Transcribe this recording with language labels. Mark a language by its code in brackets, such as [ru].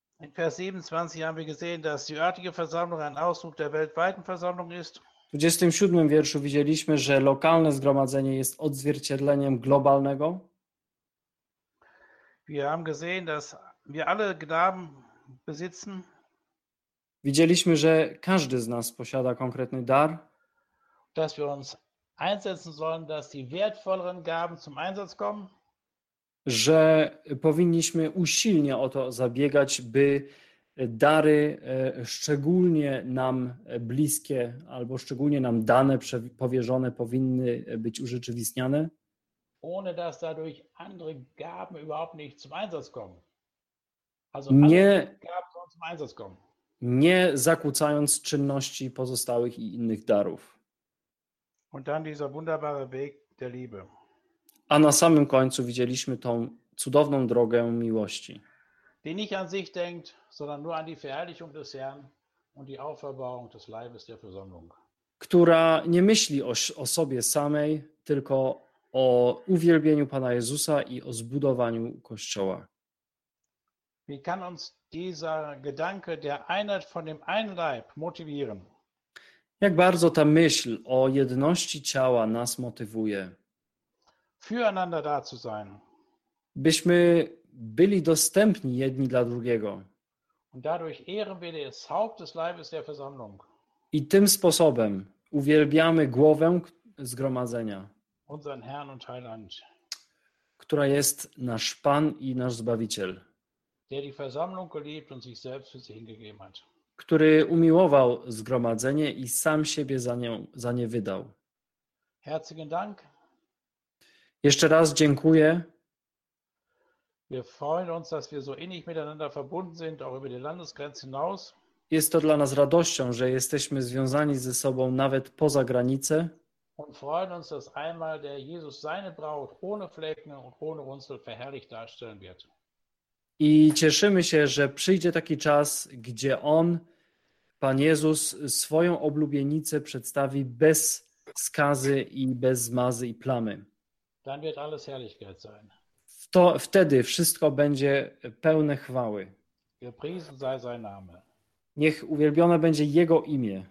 [de] In Vers 27 haben wir gesehen, dass die örtliche Versammlung ein Ausdruck der weltweiten Versammlung ist. [pl] W 27 wierszu widzieliśmy, że lokalne zgromadzenie jest odzwierciedleniem globalnego. [de] Wir haben gesehen, dass wir alle Gaben besitzen. [pl] Widzieliśmy, że każdy z nas posiada konkretny dar. [de] Dass wir uns einsetzen sollen, dass die wertvolleren Gaben zum Einsatz kommen. [pl] Że powinniśmy usilnie o to zabiegać, by dary szczególnie nam bliskie albo szczególnie nam dane, powierzone powinny być urzeczywistniane. [de] Ohne dass dadurch andere Gaben überhaupt nicht zum Einsatz kommen. Also nie, alle Gaben zum Einsatz kommen. [pl] Nie zakłócając czynności pozostałych i innych darów. [de] Und dann dieser wunderbare Weg der Liebe. [pl] A na samym końcu widzieliśmy tą cudowną drogę miłości. [de] Die nicht an sich denkt, sondern nur an die Verherrlichung des Herrn und die Auferbauung des Leibes der Versammlung. [pl] Która nie myśli o sobie samej, tylko o uwielbieniu Pana Jezusa i o zbudowaniu Kościoła. [de] Wie kann uns dieser Gedanke der Einheit von dem einen Leib motivieren? [pl] Jak bardzo ta myśl o jedności ciała nas motywuje? [de] Füreinander da zu sein. [pl] Byśmy byli dostępni jedni dla drugiego. [de] Und dadurch ehren wir das Haupt des Leibes der Versammlung. [pl] I tym sposobem uwielbiamy głowę zgromadzenia. [de] Unseren Herrn und Heiland. [pl] Która jest nasz Pan i nasz Zbawiciel. [de] Der die Versammlung geliebt und sich selbst für sie hingegeben hat. [pl] Który umiłował zgromadzenie i sam siebie za nie wydał. [de] Herzlichen Dank. [pl] Jeszcze raz dziękuję. [de] Wir freuen uns, dass wir so innig miteinander verbunden sind, auch über die Landesgrenze hinaus. [pl] Jest to dla nas radością, że jesteśmy związani ze sobą nawet poza granicę. [de] Und freuen uns, dass einmal der Jesus seine Braut ohne Flecken und ohne Runzel verherrlicht darstellen wird. [pl] I cieszymy się, że przyjdzie taki czas, gdzie On, Pan Jezus, swoją oblubienicę przedstawi bez skazy i bez zmazy i plamy. [de] Dann wird alles Herrlichkeit sein. [pl] Wtedy wszystko będzie pełne chwały. [de] Gepriesen sei sein Name. [pl] Niech uwielbione będzie Jego imię.